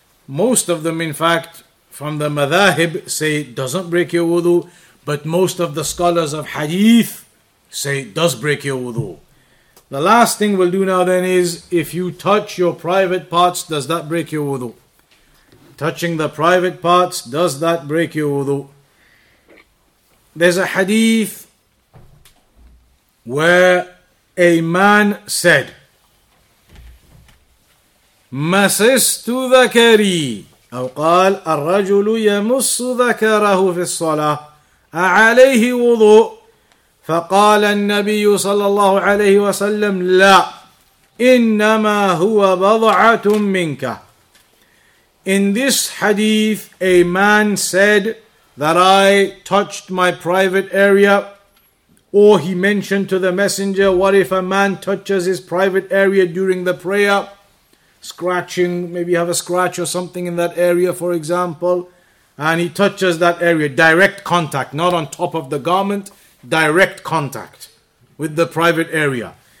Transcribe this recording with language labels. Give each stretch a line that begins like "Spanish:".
English: Most of them, in fact, from the madhahib, say it doesn't break your wudu, but most of the scholars of hadith say it does break your wudu. The last thing we'll do now then is, if you touch your private parts, does that break your wudu? Touching the private parts, does that break your wudu? There's a hadith where a man said,
Arabic: مَسِسْتُ ذَكَرِي أَوْ قَالَ الرَّجُلُ يَمُسُّ ذَكَرَهُ فِي الصَّلَاةِ أَعَلَيْهِ وُضُوء فقال النبي صلى الله عليه وسلم لا إنما هو بضعة منك.
English: In this hadith, a man said that I touched my private area, or he mentioned to the messenger, what if a man touches his private area during the prayer, scratching, maybe have a scratch or something in that area, for example, and he touches that area, direct contact, not on top of the garment, direct contact with the private area.